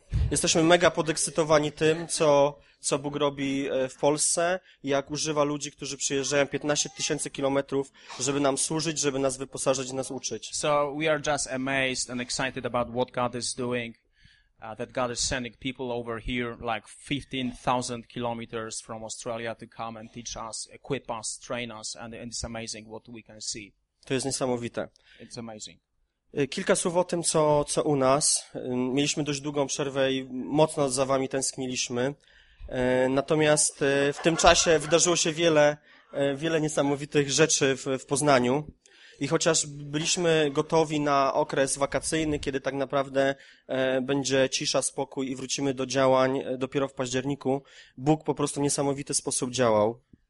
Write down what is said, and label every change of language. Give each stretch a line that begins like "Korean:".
Polish: Jesteśmy mega podekscytowani tym, co Bóg robi w Polsce, jak używa ludzi, którzy przyjeżdżają 15 tysięcy kilometrów, żeby nam służyć, żeby nas wyposażyć i nas uczyć.
English: So we are just amazed and excited about what God is doing, that God is sending people over here like 15,000 kilometers from Australia to come and teach us, equip us, train us, and it's amazing what we can see.
Polish: To jest niesamowite.
English: It's amazing.
Polish: Kilka słów o tym, co u nas. Mieliśmy dość długą przerwę i mocno za wami tęskniliśmy. Natomiast w tym czasie wydarzyło się wiele niesamowitych rzeczy w Poznaniu. I chociaż byliśmy gotowi na okres wakacyjny, kiedy tak naprawdę będzie cisza, spokój i wrócimy do działań dopiero w październiku, Bóg po prostu w niesamowity sposób działał.